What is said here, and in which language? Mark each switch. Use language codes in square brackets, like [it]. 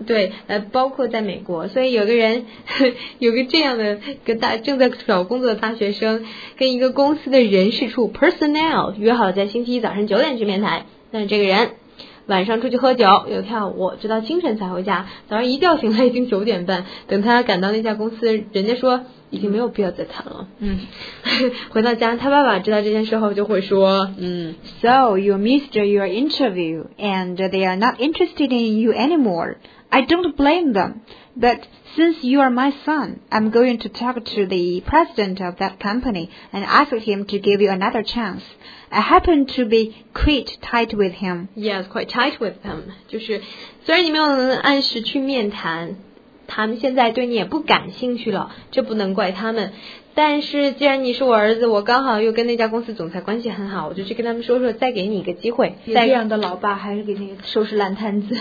[zh] 对，包括在美国，所以有个人，有个这样的个大正在找工作的大学生，跟一个公司的人事处 personnel 约好在星期一早上9点去面谈，但这个人晚上出去喝酒又跳舞，直到清晨才回家。早上一觉醒来已经9点半，等他赶到那家公司，人家说已经没有必要再谈了。嗯，回到家，他爸爸知道这件事后就会说， [en] So you missed your interview and they are not interested in you anymore. I don't blame them, but since you are my son, I'm going to talk to the president of that company and ask him to give you another chance. I happen to be quite tight with him. Yes, quite tight with him. [zh] 就是虽然你没有按时去面谈，他们现在对你也不感兴趣了，这不能怪他们。但是既然你是我儿子，我刚好又跟那家公司总裁关系很好，我就去跟他们说说，再给你一个机会。这样的老爸还是给你收拾烂摊子。